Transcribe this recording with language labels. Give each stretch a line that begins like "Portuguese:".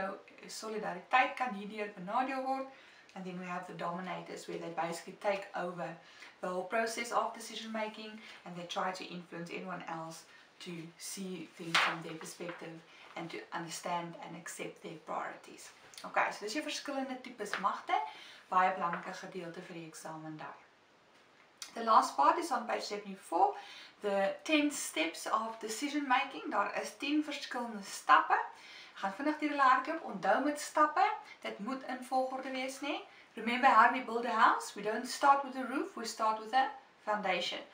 Afrikaans: Jou solidariteit kan hierdeur benadeel word.
English: And then we have the dominators, where they basically take over the whole process of decision making and they try to influence anyone else to see things from their perspective and to understand and accept their priorities.
Afrikaans: Okay, so dis jou verskillende tipes magte, baie belangrike gedeelte vir die eksamen daar.
English: The last part is on page 74, the 10 steps of decision making.
Afrikaans: Daar is 10 verskillende stappe. Gaan vinnig deur hulle hardloop, onthou met stappe, dit moet in volgorde wees, né?
English: Remember how we build a house? We don't start with a roof, we start with a foundation.